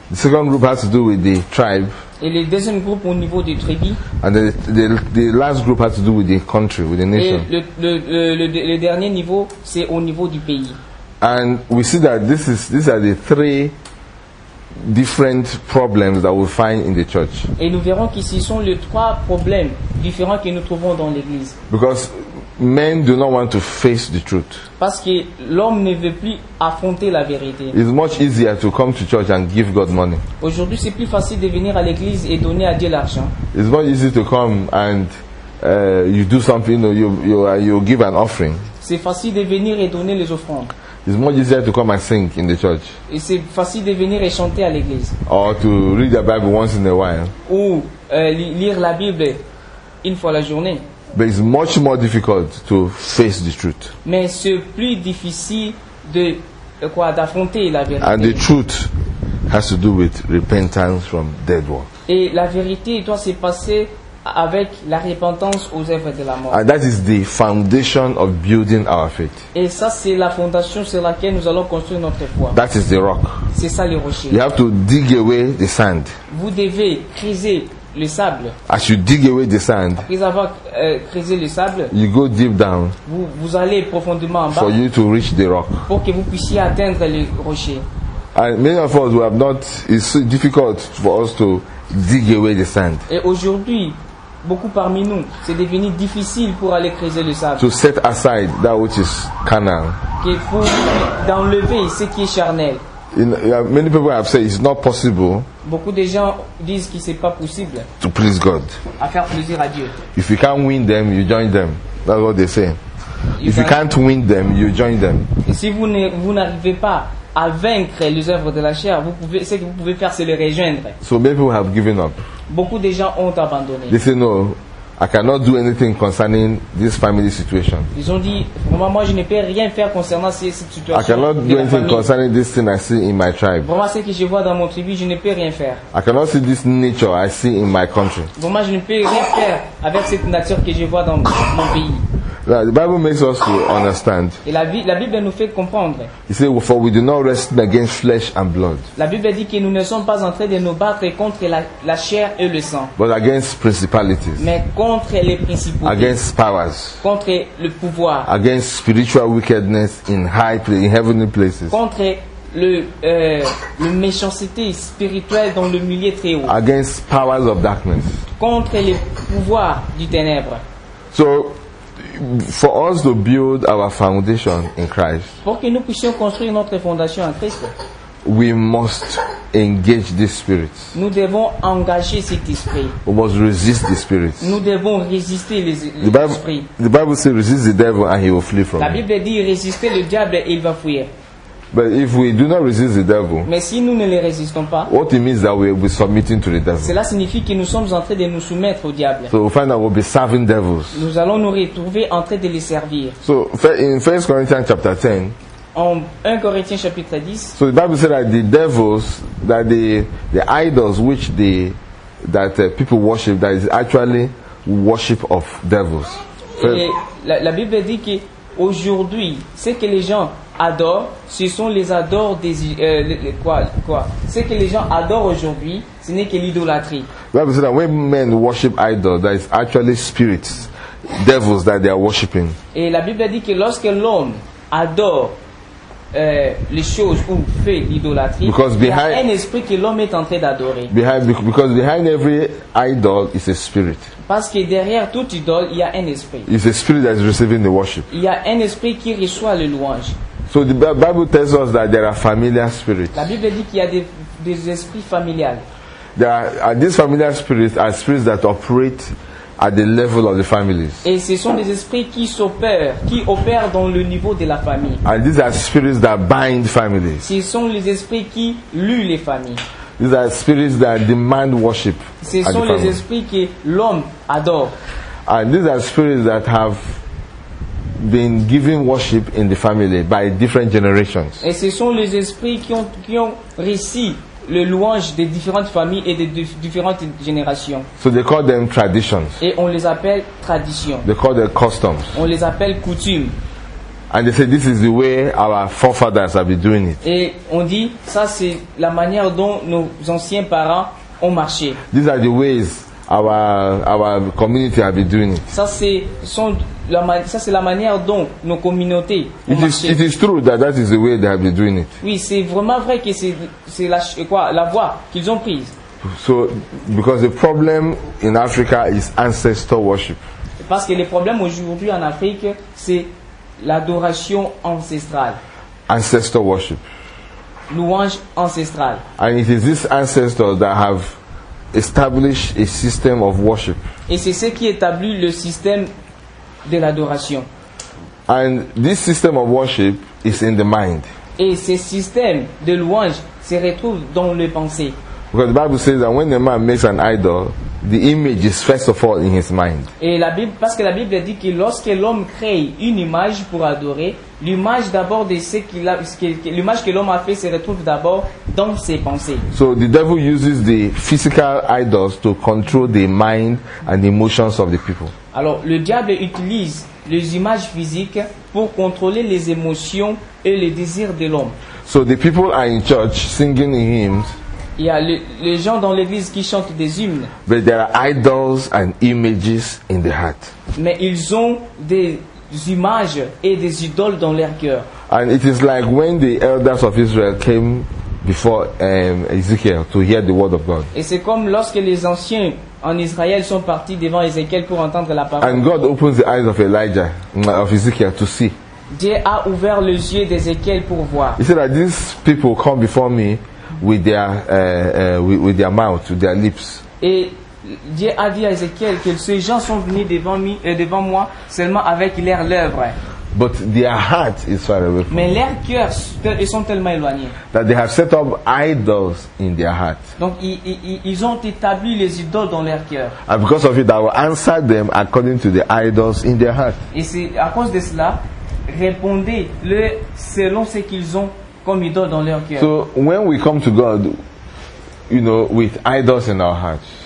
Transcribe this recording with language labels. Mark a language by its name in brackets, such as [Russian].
[English] The second group has to do with the tribe. [French] Et le deuxième groupe au niveau des tribus. [English] And the last group has to do with the country, with the nation. [French] Et le dernier niveau, c'est au niveau du pays. [English] And we see that these are the three different problems that we find in the church. [French] Et nous verrons que ce sont les trois problèmes différents que nous trouvons dans l'église. [English] Because men do not want to face the truth. [French] Parce que l'homme ne veut plus affronter la vérité. [English] It's much easier to come to church and give God money. [French] Aujourd'hui, c'est plus facile de venir à l'église et donner à Dieu l'argent. [English] It's much easier to come and you do something, you know, you give an offering. [French] C'est facile de venir et donner les offrandes. [English] It's more easier to come and sing in the church. [French] Et c'est facile de venir et chanter à l'église. [English] Or to read the Bible once in a while. [French] Ou lire la Bible une fois la journée. [English] But it's much more difficult to face the truth. [French] Mais c'est plus difficile de quoi d'affronter la vérité. [English] And the truth has to do with repentance from dead works. [French] Et la vérité doit se passer avec la repentance aux œuvres de la mort. [English] And that is the foundation of building our faith. [French] Et ça c'est la fondation sur laquelle nous allons construire notre foi. [English] That is the rock. [French] C'est ça le rocher. [English] You have to dig away the sand. [French] Vous devez creuser le sable. [English] As you dig away the sand, [French] après avoir creusé le sable, [English] you go deep down. [French] Vous allez profondément en bas. [English] For you to reach the rock. [French] Pour que vous puissiez atteindre le rocher. [English] And many of us we have not. It's so difficult for us to dig away the sand. [French] Et aujourd'hui, beaucoup parmi nous, c'est devenu difficile pour aller creuser le sable. [English] To set aside that which is carnal. [French] Qu'il faut d'enlever ce qui est charnel. [English] Many people have said it's not possible. [French] Beaucoup de gens disent que c'est pas possible. [English] To please God. [French] À faire plaisir à Dieu. [English] If you can't win them, you join them. That's what they say. If you can't win them, you join them. [French] Et si vous n'arrivez pas à vaincre les œuvres de la chair, ce que vous pouvez faire, c'est les rejoindre. [English] So many people have given up. [French] Beaucoup de gens ont abandonné. [English] They say no, I cannot do anything concerning this family situation. [French] Ils ont dit, vraiment, moi, je ne peux rien faire concernant cette situation. [English] I cannot do anything concerning this thing I see in my tribe. [French] Vraiment, ce que je vois dans mon tribu, je ne peux rien faire. [English] I cannot see this nature I see in my country. [French] Vraiment, je ne peux rien faire avec cette nature que je vois dans mon pays. [English] Now, the Bible makes us to understand. [French] Et la Bible nous fait comprendre. [English] He said, "For we do not wrestle against flesh and blood." [French] La Bible dit que nous ne sommes pas en train de nous battre contre la chair et le sang. [English] But against principalities. [French] Mais contre les principautés. [English] Against powers. [French] Contre le pouvoir. [English] Against spiritual wickedness in high places, in heavenly places. [French] Contre le méchanceté spirituelle dans le milieu très haut. [English] Against powers of darkness. [French] Contre les pouvoirs du ténèbre. [English] So, for us to build our foundation in Christ, [French] pour que nous puissions construire notre fondation en Christ, [English] we must engage this spirit. [French] Nous devons engager cet esprit. [English] We must resist the spirit. [French] Nous devons résister l'esprit. [English] The Bible says, "Resist the devil, and he will flee from you." [French] La Bible dit, "Résister le diable, et il va fuir." [English] But if we do not resist the devil, [French] mais si nous ne les résistons pas, [English] what it means that we're submitting to the devil. [French] Cela signifie que nous sommes en train de nous soumettre au diable. [English] So we find that we'll be serving devils. [French] Nous allons nous retrouver en train de les servir. [English] So in 1 Corinthians chapter 10, [French] en 1 Corinthiens chapitre 10, [English] so the Bible says that the devils, that the idols which that people worship, that is actually worship of devils. [French] La Bible dit que aujourd'hui, c'est que les gens adore, ce sont les adores des quoi. Ce que les gens adorent aujourd'hui, ce n'est que l'idolâtrie. [English] Bible says that when men worship idols, that is actually spirits, devils that they are worshiping. [French] Et la Bible dit que lorsque l'homme adore les choses ou fait l'idolâtrie, [English] behind, [French] il y a un esprit que l'homme est en train d'adorer. [English] Behind, because behind every idol is a spirit. [French] Parce que derrière toute idole, il y a un esprit. [English] It's a spirit that is receiving the worship. [French] Il y a un esprit qui reçoit le louange. [English] So the Bible tells us that there are familiar spirits. [French] La Bible dit qu'il y a des esprits familiales. [English] These familiar spirits are spirits that operate at the level of the families. [French] Et ce sont des esprits qui opèrent dans le niveau de la famille. [English] And these are spirits that bind families. [French] Ce sont les esprits qui lient les familles. [English] These are spirits that demand worship. [French] Ce sont les esprits que l'homme adore. [English] And these are spirits that have been given worship in the family by different generations. [French] Et ce sont les esprits qui ont reçu le louange des différentes familles et des différentes générations. [English] So they call them traditions. [French] Et on les appelle traditions. [English] They call them customs. [French] On les appelle coutumes. [English] And they say this is the way our forefathers have been doing it. [French] Et on dit ça c'est la manière dont nos anciens parents ont marché. [English] These are the ways our community have been doing it. [French] Ça c'est la manière dont nos communautés ont marché. [English] It is true that is the way they have been doing it. [French] Oui, c'est vraiment vrai que c'est la voie qu'ils ont prise. [English] So because the problem in Africa is ancestor worship. [French] Parce que le problème aujourd'hui en Afrique c'est l'adoration ancestrale. [English] Ancestor worship. [French] Louange ancestrale. [English] And it is these ancestors that have established a system of worship. [French] Et c'est ce qui établit le système de l'adoration. [English] And this system of worship is in the mind. [French] Et ce système de louange se retrouve dans les pensées. [English] Because the Bible says that when a man makes an idol, the image is first of all in his mind. [French] Et la Bible, parce que la Bible dit que lorsque l'homme crée une image pour adorer, l'image d'abord de ce qu'il a, l'image que l'homme a fait se retrouve d'abord dans ses pensées. [English] So the devil uses the physical idols to control the mind and the emotions of the people. [French] Alors le diable utilise les images physiques pour contrôler les émotions et les désirs de l'homme. [English] So the people are in church singing hymns. [French] Il y a les gens dans l'église qui chantent des hymnes. [English] But there are idols and images in the heart. [French] Mais ils ont des images et des idoles dans leur cœur. [English] And it is like when the elders of Israel came before Ezekiel to hear the word of God. [French] Et c'est comme lorsque les anciens en Israël sont partis devant Ézéchiel pour entendre la parole. [English] And God opens the eyes of Elijah, of Ezekiel, to see. [French] Dieu a ouvert les yeux d'Ézéchiel pour voir. [English] He said that these people come before me with their with their mouth, with their lips. [French] Et Dieu a dit à Ézéchiel que ces gens sont venus devant moi seulement avec leurs lèvres. [English] But their heart is far away. [French] Mais leurs cœurs sont tellement éloignés. [English] That they have set up idols in their heart. [French] Donc ils ont établi les idoles dans leurs cœurs. [English] And because of it, I will answer them according to the idols in their heart. [French] Et c'est à cause de cela, répondez-le selon ce qu'ils ont comme idole dans leur cœur. [English] So when we come to God, you know, with idols in our hearts.